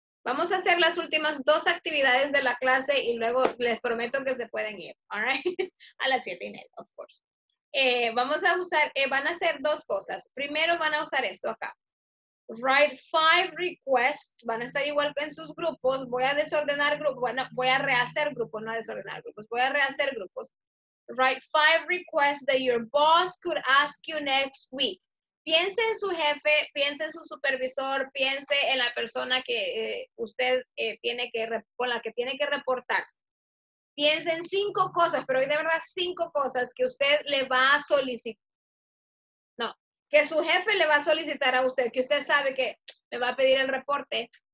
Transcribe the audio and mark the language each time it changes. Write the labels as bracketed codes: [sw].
[es] Vamos a hacer las últimas dos actividades de la clase y luego les prometo que se pueden ir, [en] all right? [es] A las 7:30, [en] of course. [es] Vamos a usar, van a hacer dos cosas. Primero van a usar esto acá. [en] Write 5 requests. [es] Van a estar igual en sus grupos. Voy a desordenar grupos. Bueno, voy a rehacer grupos, no a desordenar grupos. Voy a rehacer grupos. [en] Write 5 requests that your boss could ask you next week. [es] Piense en su jefe, piense en su supervisor, piense en la persona que usted tiene que, con la que tiene que reportarse. Piensen 5 cosas, pero hoy de verdad 5 cosas que usted le va a solicitar. No, que su jefe le va a solicitar a usted, que usted sabe que me va a pedir el reporte.